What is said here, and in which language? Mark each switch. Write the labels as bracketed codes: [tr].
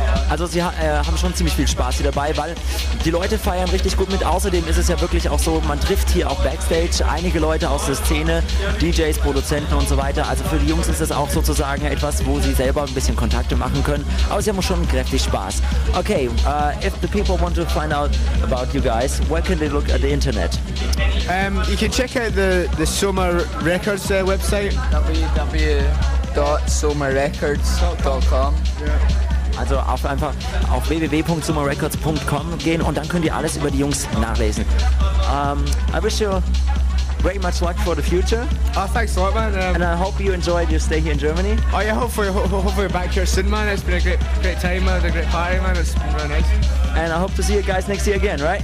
[de] Also sie haben schon ziemlich viel Spaß hier dabei, weil die Leute feiern richtig gut mit. Außerdem ist es ja wirklich auch so, man trifft hier auch Backstage einige Leute aus der Szene, DJs, Produzenten und so weiter. Also für die Jungs ist das auch sozusagen etwas, wo sie selber ein bisschen Kontakte machen können. Aber sie haben schon kräftig Spaß. [en] Okay, if the people want to find out about you guys, where can they look at the internet? You can check out the Soma Records website. www.somarecords.com. [de] Also auf einfach auf www.somarecords.com gehen und dann könnt ihr alles über die Jungs nachlesen. [en] I wish you very much luck for the future. Oh, thanks a lot, man. And I hope you enjoyed your stay here in Germany. Oh yeah, hopefully you're back here soon, man. It's been a great time, man. It's a great party, man. It's been really nice. And I hope to see you guys next year again, right?